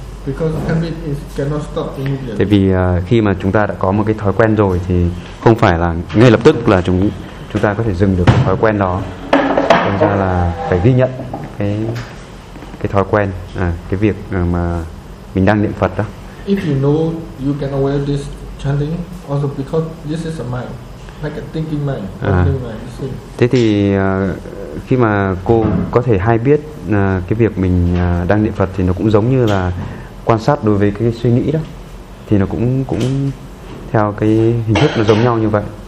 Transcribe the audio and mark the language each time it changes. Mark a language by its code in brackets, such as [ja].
[en] Because habit is cannot stop immediately. [vi] Tại vì khi mà chúng ta đã có một cái thói quen rồi thì không phải là ngay lập tức là chúng ta có thể dừng được cái thói quen đó. Nên ra là phải ghi nhận cái thói quen, cái việc mà mình đang niệm Phật đó. [en] If you know you can aware this chanting, also because this is a mind, like a thinking mind, [vi] Thế thì khi mà cô có thể hay biết cái việc mình đang niệm Phật thì nó cũng giống như là quan sát đối với cái suy nghĩ đó, thì nó cũng theo cái hình thức nó giống nhau như vậy.